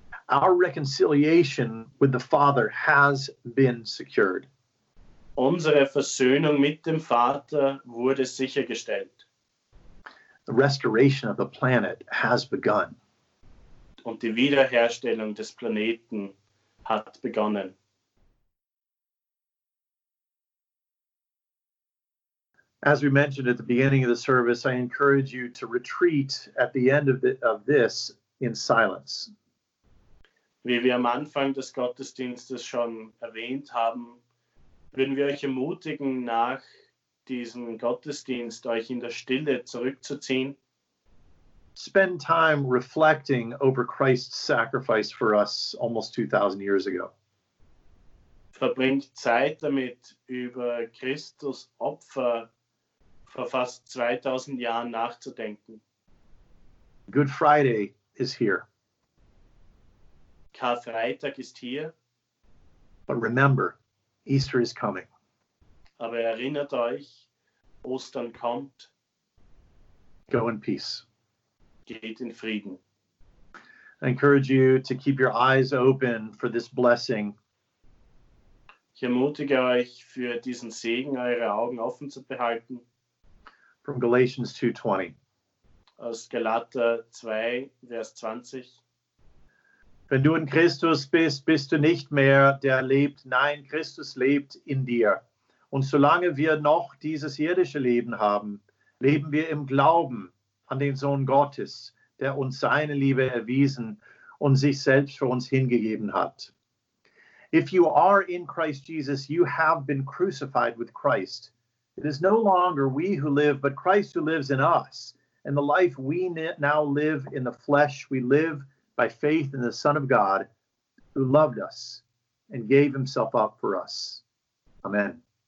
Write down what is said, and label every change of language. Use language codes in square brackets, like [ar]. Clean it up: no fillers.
[en] Our reconciliation with the Father has been secured. [de] Unsere Versöhnung mit dem Vater wurde sichergestellt. [en] The restoration of the planet has begun. [de] Und die Wiederherstellung des Planeten hat begonnen. [en] As we mentioned at the beginning of the service, I encourage you to retreat at the end of this in silence. [de] Wie wir am Anfang des Gottesdienstes schon erwähnt haben, würden wir euch ermutigen, nach diesem Gottesdienst euch in der Stille zurückzuziehen. [en] Spend time reflecting over Christ's sacrifice for us almost 2000 years ago. [de] Verbringt Zeit damit, über Christus Opfer vor fast 2000 Jahren nachzudenken. [en] Good Friday is here. [de] Karfreitag ist hier. [en] But remember, Easter is coming. [de] Aber erinnert euch, Ostern kommt. [en] Go in peace. [de] Geht in Frieden. [en] I encourage you to keep your eyes open for this blessing. [de] Ich ermutige euch, für diesen Segen eure Augen offen zu behalten. [en] From Galatians 2:20. [de] Aus Galater 2, Vers 20. Wenn du in Christus bist, bist du nicht mehr der lebt. Nein, Christus lebt in dir. Und solange wir noch dieses irdische Leben haben, leben wir im Glauben an den Sohn Gottes, der uns seine Liebe erwiesen und sich selbst für uns hingegeben hat. [en] If you are in Christ Jesus, you have been crucified with Christ. It is no longer we who live, but Christ who lives in us. And the life we now live in the flesh, we live by faith in the Son of God, who loved us and gave himself up for us. Amen.